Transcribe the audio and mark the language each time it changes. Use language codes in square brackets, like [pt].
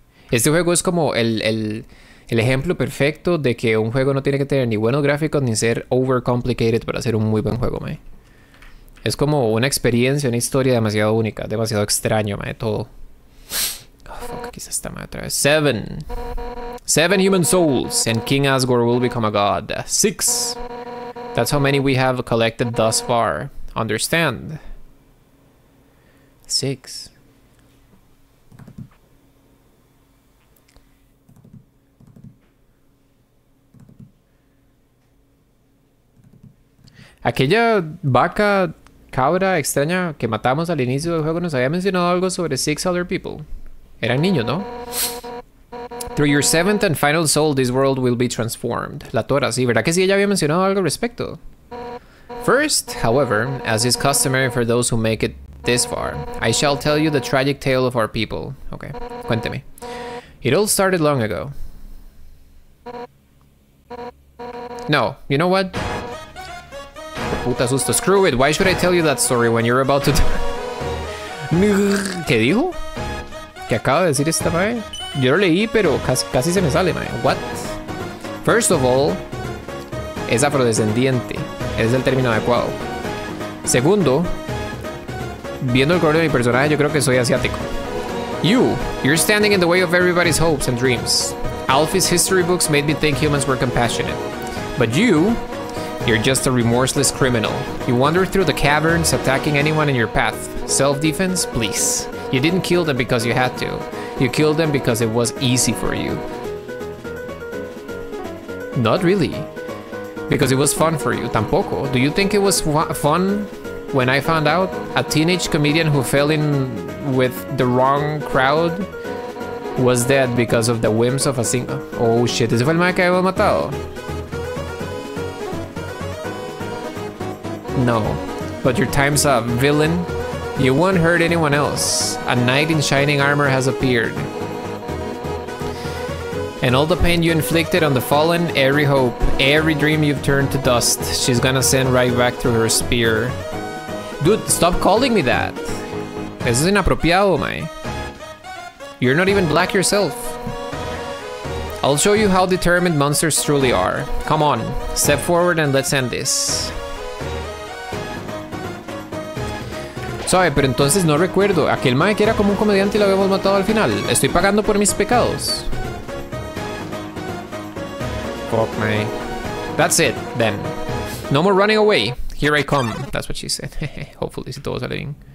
[es] Este juego es como el ejemplo perfecto de que un juego no tiene que tener ni buenos gráficos ni ser overcomplicated para ser un muy buen juego, mae. Es como una experiencia, una historia demasiado única, demasiado extraño, mae, todo. Oh, fuck, aquí se está, mae, otra vez. [en] Seven human souls and King Asgore will become a god. Six. That's how many we have collected thus far. Understand? Six. [es] Aquella vaca, cabra extraña que matamos al inicio del juego nos había mencionado algo sobre [en] six other people. [es] Eran niños, ¿no? [en] Through your seventh and final soul, this world will be transformed. [es] La Tora, sí, ¿verdad que sí? Ella había mencionado algo al respecto. [en] First, however, as is customary for those who make it this far, I shall tell you the tragic tale of our people. Okay, [es] cuénteme. [en] It all started long ago. No, you know what? [es] Puta susto. [en] Screw it. Why should I tell you that story when you're about to... [es] ¿Qué dijo? ¿Qué acaba de decir esta mae? Yo lo leí, pero casi se me sale, mae. [en] What? First of all, [es] es afrodescendiente. Es el término adecuado. Segundo, viendo el color de mi personaje, yo creo que soy asiático. [en] You're standing in the way of everybody's hopes and dreams. Alfie's history books made me think humans were compassionate. But you're just a remorseless criminal. You wander through the caverns, attacking anyone in your path. Self-defense, please. You didn't kill them because you had to. You killed them because it was easy for you. Not really. Because it was fun for you. [es] Tampoco. [en] Do you think it was fun when I found out? A teenage comedian who fell in with the wrong crowd was dead because of the whims of a single. Oh shit, [es] ese fue el man que había matado. [en] No, but your time's up, villain. You won't hurt anyone else. A knight in shining armor has appeared. And all the pain you inflicted on the fallen, every hope, every dream you've turned to dust, she's gonna send right back through her spear. Dude, stop calling me that. [es] Eso es inapropiado, mae. [en] You're not even black yourself. I'll show you how determined monsters truly are. Come on, step forward and let's end this. [es] Sabe, pero entonces no recuerdo. Aquel mae que era como un comediante y lo habíamos matado al final. Estoy pagando por mis pecados. [en] Fuck, mae. That's it, then. No more running away. Here I come. That's what she said. Hopefully, [es] si todo sale bien.